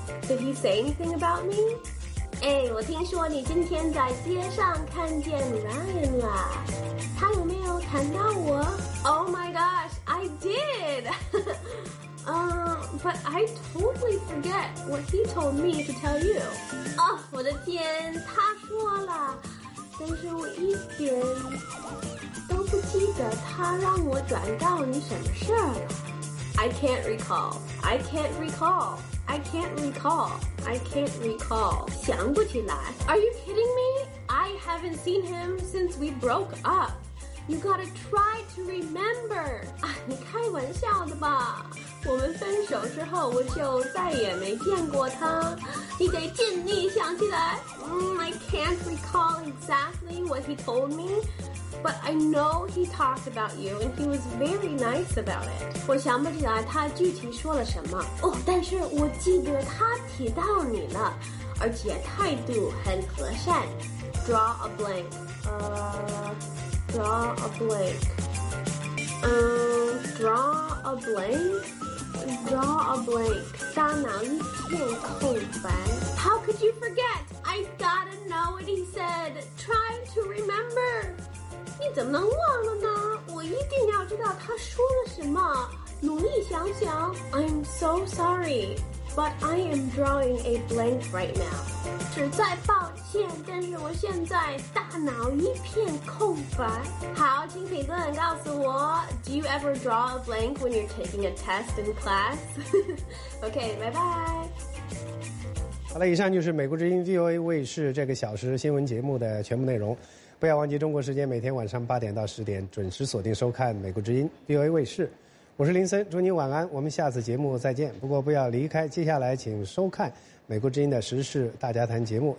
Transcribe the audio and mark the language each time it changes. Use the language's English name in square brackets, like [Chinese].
[Chinese] Did he say anything about me? 哎，我听说你今天在街上看见 Ryan 了。他有没有谈到我？ Oh my gosh, I did! [English] but I totally forget what he told me to tell you. [Chinese] Oh, 我的天，他说了，但是我一点都不记得他让我转告你什么事儿了。 [English] I can't recall. I can't recall. I can't recall. I can't recall. 想不起来。 Are you kidding me? I haven't seen him since we broke up. You gotta try to remember. [Chinese] 啊，你开玩笑的吧？我们分手之后，我就再也没见过他。你得尽力想起来。 [English] I can't recall exactly what he told me, but I know he talked about you and he was very nice about it. [Chinese] 我想不起来他具体说了什么。哦，但是我记得他提到你了，而且态度很和善。 [English] Draw a blank. [Chinese] Draw a blank. 大脑一片空白。 [English] How could you forget? I gotta know what he said. [Chinese] Try to remember. 你怎么能忘了呢？我一定要知道他说了什么。努力想想。 [English] I'm so sorry, but I am drawing a blank right now. [Chinese] 实在抱歉。但是我现在大脑一片空白。 [English] 好，请评论告诉我，Do you ever draw a blank when you're taking a test in class? [Chinese] OK， 拜拜。好了，以上就是美国之音 VOA 卫视这个小时新闻节目的全部内容。不要忘记中国时间每天晚上8点到10点准时锁定收看美国之音 VOA 卫视。我是林森，祝您晚安，我们下次节目再见。不过不要离开，接下来请收看美国之音的时事大家谈节目。